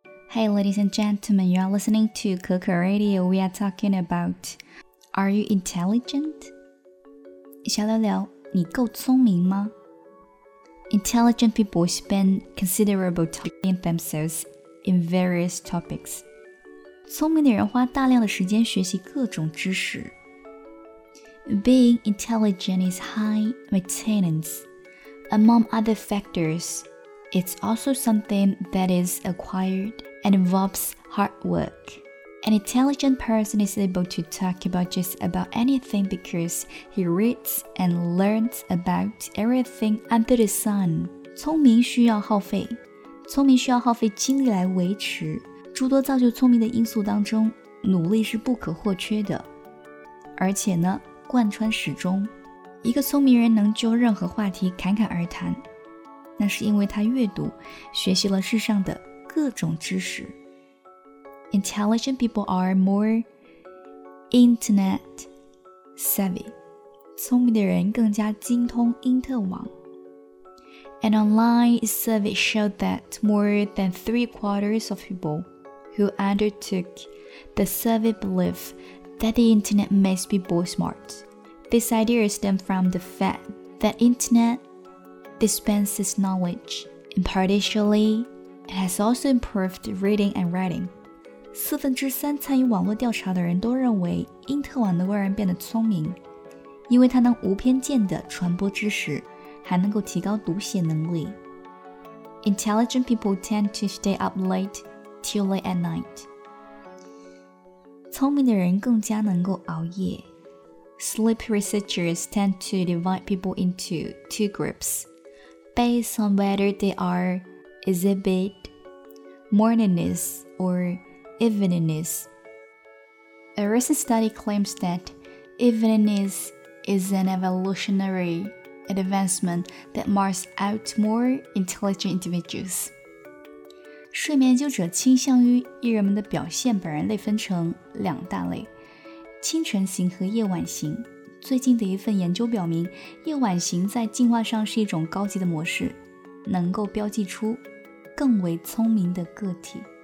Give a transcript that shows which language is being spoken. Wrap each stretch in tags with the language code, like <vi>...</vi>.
<en>Hey, ladies and gentlemen, you are listening to Coco Radio. We are talking about Are you intelligent?</en> <zh>小聊聊，你够聪明吗？</zh> <en>Intelligent people spend considerable time in themselves in various topics.</en> <zh>聪明的人花大量的时间学习各种知识。</zh> <en>Being intelligent is high maintenance. Among other factors, it's also something that is acquired. And involves hard work. An intelligent person is able to talk about just about anything because he reads and learns about everything under the sun.</en> <zh>聪明需要耗费，聪明需要耗费精力来维持。诸多造就聪明的因素当中，努力是不可或缺的，而且呢，贯穿始终。一个聪明人能就任何话题侃侃而谈，那是因为他阅读，学习了世上的各种知识。</zh> <en>Intelligent people are more internet savvy.</en> <zh>聪明的人更加精通因特网。</zh> <en>An online survey showed that more than 3/4 of people who undertook the survey believe that the internet makes people smart. This idea stems from the fact that internet dispenses knowledge impartially. It has also improved reading and writing.</en> <zh>四分之三参与网络调查的人都认为因特网能够让人变得聪明，因为它能无偏见地传播知识，还能够提高读写能力。</zh> <en>Intelligent people tend to stay up late till late at night.</en> <zh>聪明的人更加能够熬夜。</zh> <en>Sleep researchers tend to divide people into two groups based on whether they areexhibit morningness or eveningness. A recent study claims that eveningness is an evolutionary advancement that marks out more intelligent individuals.</en> <zh>睡眠研究者倾向于以人们的表现本人类分成两大类，清晨型和夜晚型。最近的一份研究表明，夜晚型在进化上是一种高级的模式，能够标记出更为聪明的个体。</zh>